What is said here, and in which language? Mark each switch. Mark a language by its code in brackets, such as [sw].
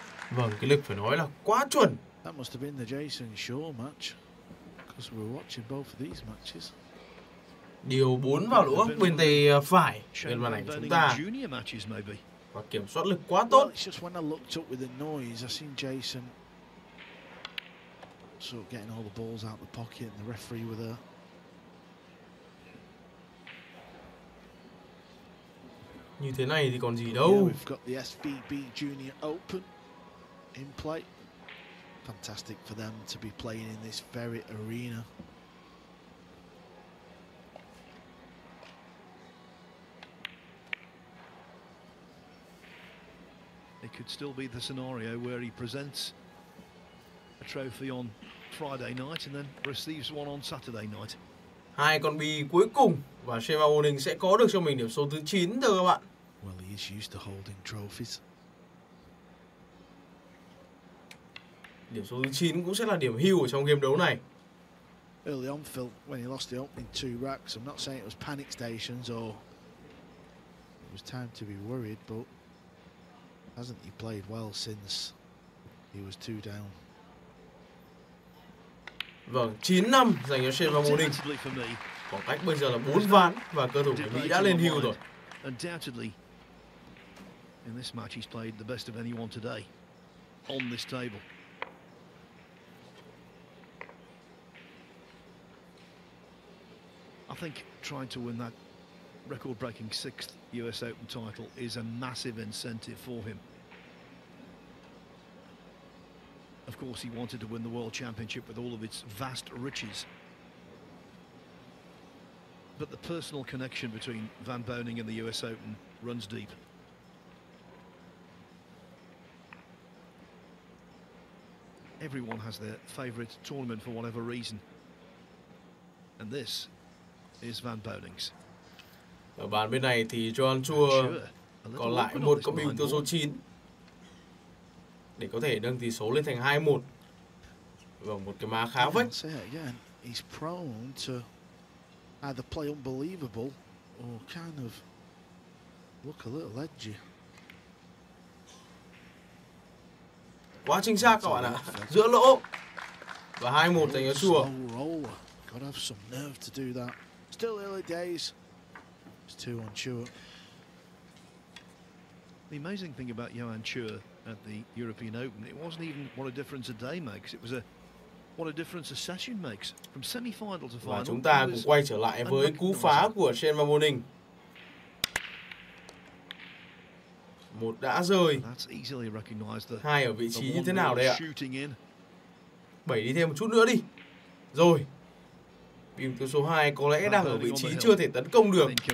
[vi] Vâng, cái lực phải nói là quá chuẩn. [en] That must have been the Jason Shaw match, because we were watching both of these matches. [vi] Điều 4 vào lỗ góc bên tay phải trên màn ảnh chúng ta. Và kiểm soát lực quá tốt. [en] Well, it's just when I looked up with the noise, I seen Jason sort of getting all the balls out the pocket and the referee with her. [vi] Như thế này thì còn gì đâu. [en] Yeah, we've got the SBB Junior Open in play. Fantastic for them to be playing in this very arena. It could still be the scenario where he presents a trophy on Friday night and then receives one on Saturday night. [vi] Hai con bi cuối cùng và Sheva Oning sẽ có được cho mình điểm số thứ 9 thôi các bạn. [en] Well, he is used to holding trophies. [vi] Điểm số thứ 9 cũng sẽ là điểm hưu ở trong game đấu này. [en] Early on, Phil, when he lost the opening two racks, I'm not saying it was panic stations or it was time to be worried, but hasn't he played well since he was two down? [vi] Vâng, 9 năm dành cho Shane Van Boning. Khoảng cách bây giờ là 4 ván và cơ thủ của Mỹ đã lên hưu rồi. [en] Undoubtedly, in this match he's played the best of anyone today on this table. I think trying to win that record-breaking sixth US Open title is a massive incentive for him. Of course, he wanted to win the World Championship with all of its vast riches. But the personal connection between Van Boning and the US Open runs deep. Everyone has their favorite tournament for whatever reason. And this is Van Boning's. [vi] Ở bàn bên này thì Joan Chua còn lại một con bi mục tiêu số 9 để có thể nâng tỷ số lên thành 2-1. Và một cái má khá vách. [en] He's prone to either play unbelievable or kind of look a little edgy. [vi] Quá chính xác các bạn ạ. Giữa lỗ. Và 2-1 dành cho Chua. [en] Gotta have some nerve to do that. Still early days. It's 2-1 Chua. The amazing thing about Joan Chua at the European Open, it wasn't even what a difference a day makes. It was a what a difference a session makes from semi-final to final. [vi] Và chúng ta cùng quay trở lại với cú phá của Shane Van Boning. Một đã rơi. Hai ở vị trí như thế nào đây ạ? Bảy đi thêm một chút nữa đi. Rồi. Bình thường số 2 có lẽ đang ở vị trí chưa thể tấn công được.